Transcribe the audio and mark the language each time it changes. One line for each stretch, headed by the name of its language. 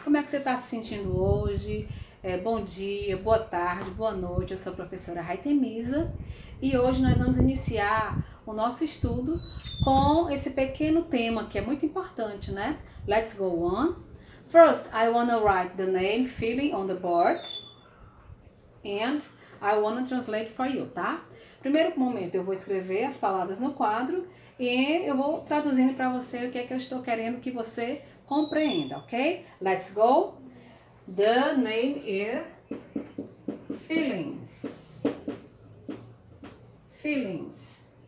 Portuguese: Como é que você está se sentindo hoje? Bom dia, boa tarde, boa noite. Eu sou a professora Raitemisa, e hoje nós vamos iniciar o nosso estudo com esse pequeno tema que é muito importante, né?
English: Let's go on. First, I wanna write the name feeling on the board and I wanna translate for you, tá?
Portuguese: Primeiro momento, eu vou escrever as palavras no quadro e eu vou traduzindo para você o que é que eu estou querendo que você compreenda, ok?
English: Let's go. The name is feelings. Feelings.